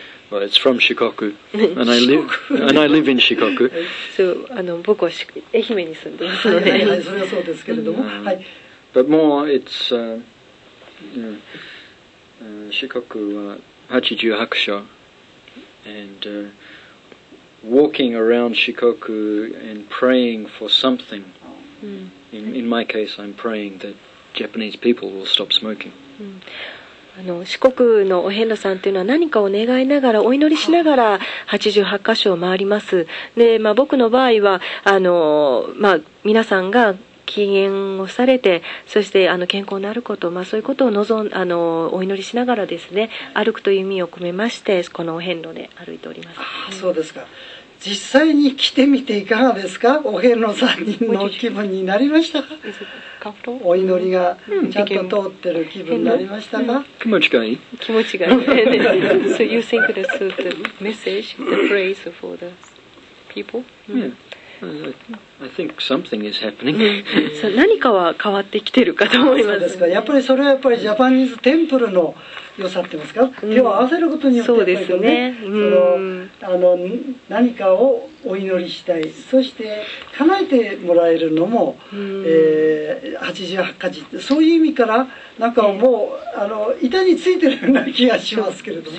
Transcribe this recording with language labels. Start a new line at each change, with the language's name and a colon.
English: Well, it's from Shikoku, and I live and I live in Shikoku.
Japanese: So, 僕は愛媛に住んでますので、それはそうですけれども、はい。
English: But more, it's Shikoku は八十八ヶ所、and walking around Shikoku and praying for something. In my case, I'm praying that Japanese people will stop smoking.
Japanese: 四国のお遍路さんというのは何かを願いながらお祈りしながら88箇所を回ります。で、まあ、僕の場合は皆さんが禁煙をされて、そして健康になること、まあ、そういうことを望んお祈りしながらですね、歩くという意味を込めましてこのお遍路で歩いております。あ、そうですか。実際に来てみていかがですか？お遍路さんの気分になりましたか？お祈りがちゃんと通ってる気分になりましたか？気持ちがいい。気持ちがいい。
English: So you think that's the message, the praise for the people? I think something is happening.
Japanese: 何かは変わってきてるかと思います。そうですか。やっぱりそれはやっぱりジャパニーズテンプルの良さってますか、うん、手を合わせることによってそうですね、うん、その何かをお祈りしたい、そして叶えてもらえるのも、うん、88カ字そういう意味からなんかもう、板についてるような気がしますけれども